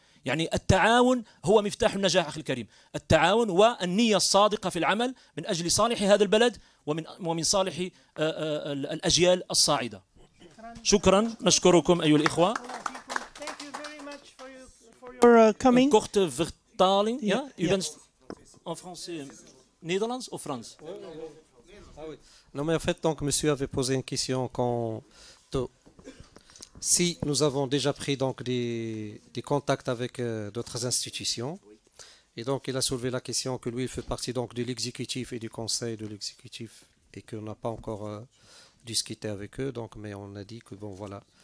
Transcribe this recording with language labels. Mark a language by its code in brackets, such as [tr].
[ar] يعني التعاون هو مفتاح النجاح أخي الكريم، التعاون والنية الصادقة في العمل من أجل صالح هذا البلد ومن صالح الأجيال الصاعدة. شكرا، نشكركم أيها الإخوة. [nl] Taling, ja? U bent en français, Nederlands of Frans? [fr] Non, mais en fait, donc, monsieur avait posé une question quand si nous avons déjà pris donc des contacts avec d'autres institutions, et donc il a soulevé la question que lui il fait partie donc de l'exécutif et du conseil de l'exécutif et qu'on n'a pas encore discuté avec eux, donc, mais on a dit que bon, voilà.